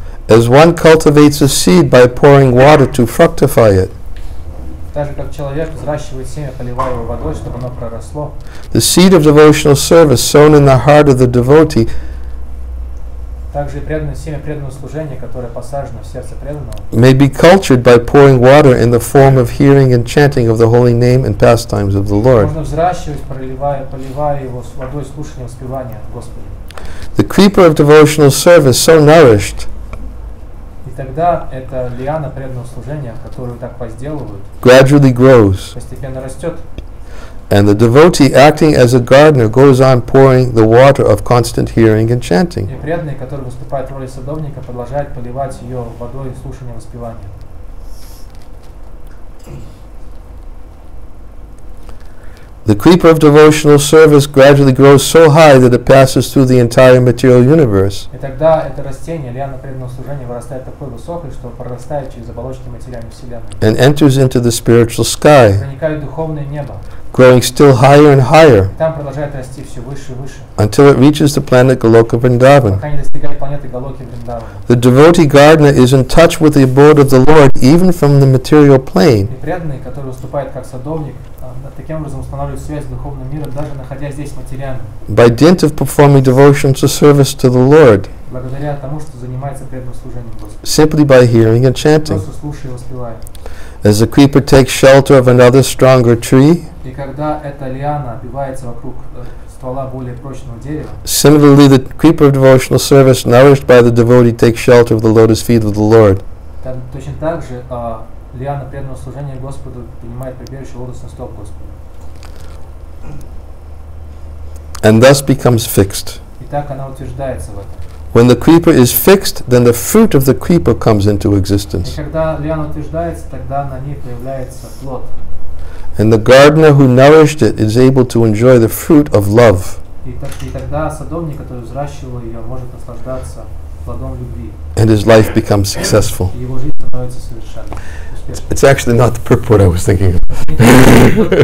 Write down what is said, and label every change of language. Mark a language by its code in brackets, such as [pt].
[en] As one cultivates a seed by pouring water to fructify it. [ru] Так же как человек взращивает семя, поливая его водой, чтобы оно проросло. [en] The seed of devotional service sown in the heart of the devotee. [ru] Также преданное семя преданного служения, которое посажено в сердце преданного. [en] May be cultured by pouring water in the form of hearing and chanting of the holy name and pastimes of the Lord. [ru] Можно взращивать, поливая его водой слушания и воспевания Господа. [en] The creeper of devotional service so nourished. [ru] И тогда эта лиана преданного служения, которую так возделывают, [en] gradually grows. [ru] Постепенно растет. [en] And the devotee, acting as a gardener, goes on pouring the water of constant hearing and chanting. [ru] И преданный, который выступает в роли садовника, продолжает поливать ее водой слушания и воспевания. [en] The creeper of devotional service gradually grows so high that it passes through the entire material universe. [ru] И тогда это растение, лиана преданного служения, вырастает такой высокой, что прорастает через оболочки материальной вселенной. [en] And enters into the spiritual sky. [ru] Проникает в духовное небо. [en] Growing still higher and higher. [ru] Там продолжает расти все выше и выше. [en] Until it reaches the planet Goloka Vrindavan. [ru] Пока не достигает планеты Голоки Вриндаван. [en] The devotee gardener is in touch with the abode of the Lord even from the material plane. [ru] И преданный, который выступает как садовник, таким образом устанавливает связь с духовным миром, даже находясь здесь материально. [en] By dint of performing devotions of service to the Lord. [ru] Благодаря тому, что занимается преданным служением Господу. [en] Simply by hearing and chanting. [ru] Просто слушая и воспевая. [en] As the creeper takes shelter of another stronger tree. [ru] И когда эта лиана обвивается вокруг ствола более прочного дерева. [en] Similarly, the creeper of devotional service, nourished by the devotee, takes shelter of the lotus feet of the Lord. [ru] Точно так же лиана преданного служения Господу принимает прибежище лотосных стоп Господа. [en] And thus becomes fixed. [ru] И так она утверждается в этом. [en] When the creeper is fixed, then the fruit of the creeper comes into existence. [ru] И когда лиана утверждается, тогда на ней появляется плод. [en] And the gardener who nourished it is able to enjoy the fruit of love. [ru] И тогда садовник, который взращивал ее, может наслаждаться плодом любви. [en] And his life becomes successful. [ru] Его жизнь становится совершенной. [en] It's actually not the purport I was thinking of.